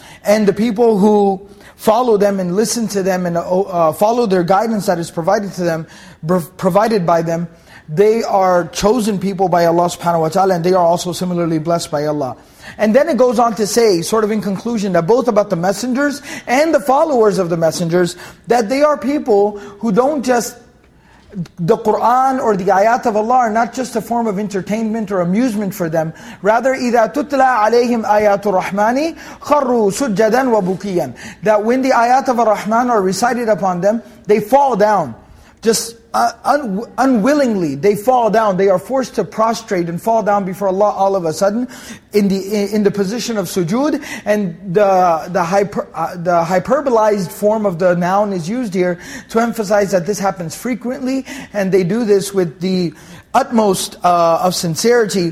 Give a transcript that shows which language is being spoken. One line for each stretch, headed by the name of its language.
English: And the people who follow them and listen to them and follow their guidance that is provided to them, provided by them, they are chosen people by Allah subhanahu wa ta'ala, and they are also similarly blessed by Allah. And then it goes on to say, sort of in conclusion, that both about the messengers and the followers of the messengers, that they are people who don't just, the Qur'an or the ayat of Allah are not just a form of entertainment or amusement for them.
Arabic: Rather, إِذَا تُتْلَى عَلَيْهِمْ آيَاتُ الرَّحْمَنِ خَرُّوا سُجَّدًا وَبُكِيًّا.
English: That when the ayat of Ar-Rahman are recited upon them, they fall down. Just unwillingly, they fall down. They are forced to prostrate and fall down before Allah all of a sudden in the position of sujood. And the hyperbolized form of the noun is used here to emphasize that this happens frequently, and they do this with the utmost of sincerity.